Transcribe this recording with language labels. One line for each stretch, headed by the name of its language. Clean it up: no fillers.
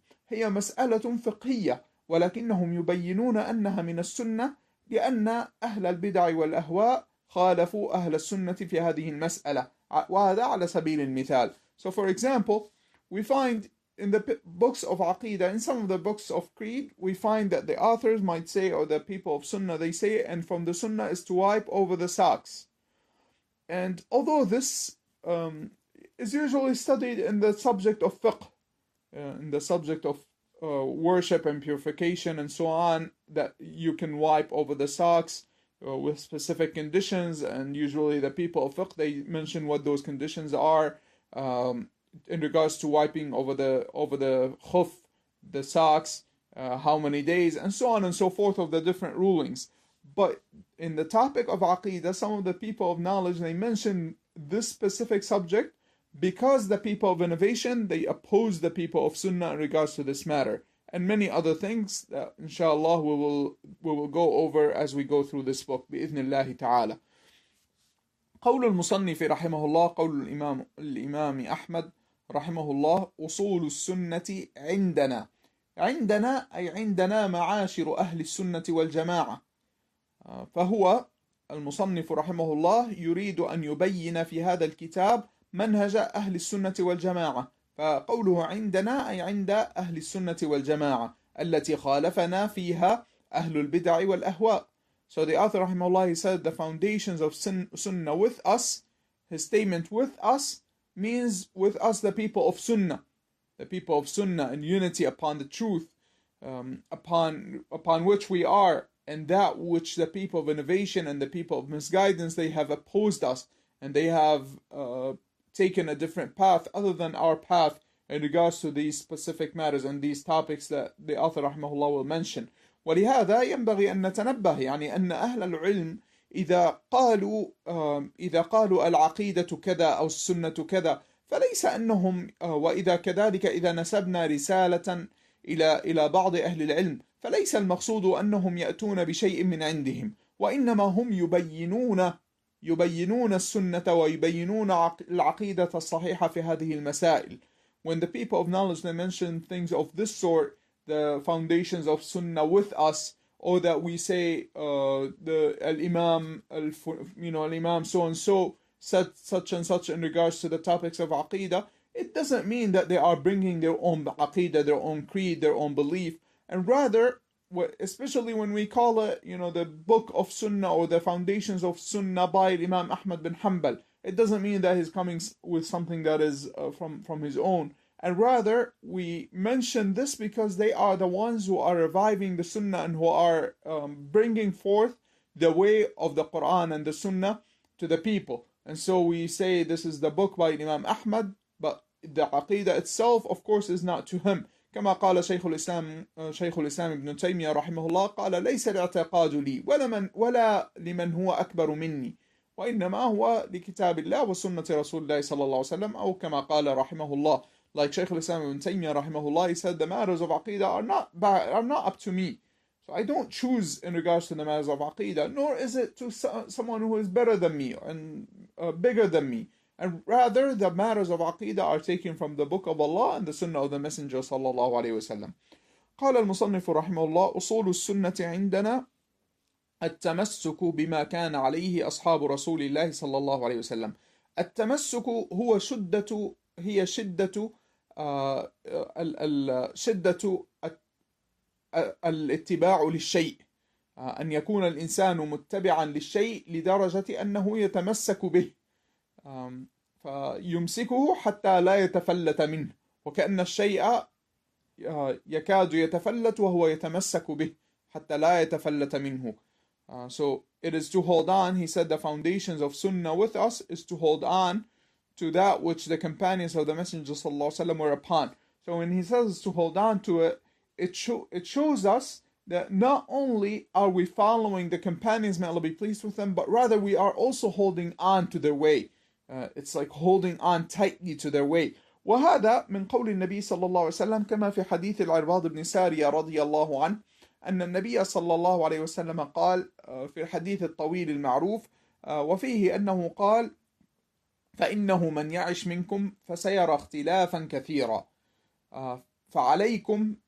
Arabic: هي مسألة فقهية، ولكنهم يبينون أنها من السنة لأن أهل البدع والأهواء خالفوا أهل السنة في هذه المسألة، وهذا على سبيل المثال.
English: So for example, we find in the books of Aqidah, in some of the books of Creed, we find that the authors might say, or the people of Sunnah, they say, and from the Sunnah is to wipe over the socks. And although this is usually studied in the subject of fiqh, in the subject of worship and purification and so on, that you can wipe over the socks with specific conditions, and usually the people of fiqh, they mention what those conditions are, in regards to wiping over the khuf, the socks, how many days, and so on and so forth of the different rulings. But in the topic of aqidah, some of the people of knowledge, they mention this specific subject because the people of innovation, they oppose the people of sunnah in regards to this matter. And many other things that inshallah we will go over as we go through this book,
Arabic: بإذن الله تعالى. قول المصنف رحمه الله قول الإمام أحمد رحمه الله أصول السنة عندنا، عندنا أي عندنا معاشر أهل السنة والجماعة. فهو المصنف رحمه الله يريد أن يبين في هذا الكتاب منهج أهل السنة والجماعة، فقوله عندنا أي عند أهل السنة والجماعة التي خالفنا فيها أهل البدع والأهواء.
English: So the author
Arabic: رحمه الله
English: said the foundations of Sunnah with us, his statement with us means with us the people of Sunnah, the people of Sunnah in unity upon the truth, upon which we are, and that which the people of innovation and the people of misguidance, they have opposed us, and they have taken a different path other than our path in regards to these specific matters and these topics that the author rahimahullah will mention.
Arabic: ولهذا ينبغي أن نتنبه يعني أن أهل العلم إذا قالوا العقيدة كذا أو السنة كذا فليس أنهم وإذا كذلك إذا نسبنا رسالة إلى بعض أهل العلم فليس المقصود أنهم يأتون بشيء من عندهم وإنما هم يبينون السنة ويبينون العقيدة الصحيحة في هذه المسائل.
English: When the people of knowledge they mention things of this sort, the foundations of Sunnah with us, or that we say al-Imam so and so said such and such in regards to the topics of Aqeedah, it doesn't mean that they are bringing their own Aqeedah, their own creed, their own belief, and rather, especially when we call it, you know, the book of Sunnah or the foundations of Sunnah by Imam Ahmad bin Hanbal, it doesn't mean that he's coming with something that is from his own. And rather, we mention this because they are the ones who are reviving the Sunnah and who are bringing forth the way of the Quran and the Sunnah to the people. And so we say this is the book by Imam Ahmad, but the Aqeedah itself, of course, is not to him.
Arabic: كما قال شيخ الإسلام ابن تيمية رحمه الله قال ليس الاعتقاد لي ولا لمن هو أكبر مني وإنما هو لكتاب الله وسنة رسول الله صلى الله عليه وسلم أو كما قال رحمه الله.
English: Like Shaykh al-Islam ibn Taymiyyah rahimahullah, he said, the matters of Aqeedah are not up to me. So I don't choose in regards to the matters of Aqeedah, nor is it to someone who is better than me and bigger than me. And rather, the matters of Aqeedah are taken from the Book of Allah and the Sunnah of the Messenger sallallahu alayhi wa sallam.
Arabic: قال المصنف رحمه الله أصول السنة عندنا التمسك بما كان عليه أصحاب رسول الله صلى الله عليه وسلم. التمسك هو شدة هي شدة الشدة الاتباع للشيء أن يكون الإنسان متبعا للشيء لدرجة أنه يتمسك به فيمسكه حتى لا يتفلت منه وكأن الشيء يكاد يتفلت وهو يتمسك به حتى لا يتفلت منه.
English: So it is to hold on, he said, the foundations of Sunnah with us is to hold on to that which the companions of the Messenger sallallahu alaihi wasallam were upon. So when he says to hold on to it, it shows us that not only are we following the companions, may Allah be pleased with them, but rather we are also holding on to their way. It's like holding on tightly to their way.
Arabic: وهذا من قول النبي صلى الله عليه وسلم كما في حديث العرباض بن سارية رضي الله عنه أن النبي صلى الله عليه وسلم قال في الحديث الطويل المعروف وفيه أنه قال فإنه من يعش منكم فسيرى اختلافا كثيرا فعليكم.